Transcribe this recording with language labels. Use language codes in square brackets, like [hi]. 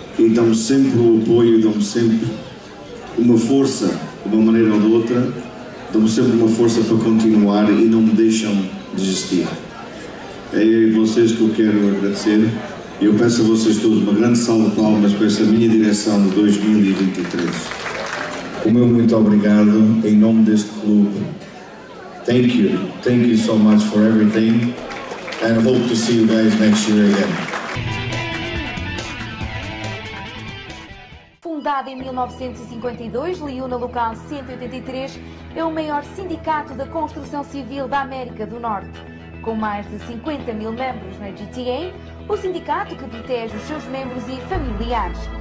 [pt] E dão-me sempre o apoio, dão-me sempre uma força, de uma maneira ou de outra, dão-me sempre uma força para continuar e não me deixam desistir. É a vocês que eu quero agradecer. E eu peço a vocês todos uma grande salva de palmas para esta minha direção de 2023. O meu muito obrigado em nome deste clube. [en] Thank you so much for everything. And hope to see you guys next year again. [pt] Fundada em 1952, Liuna Local 183 é o maior sindicato da construção civil da América do Norte. Com mais de 50 mil membros na GTA, o sindicato que protege os seus membros e familiares.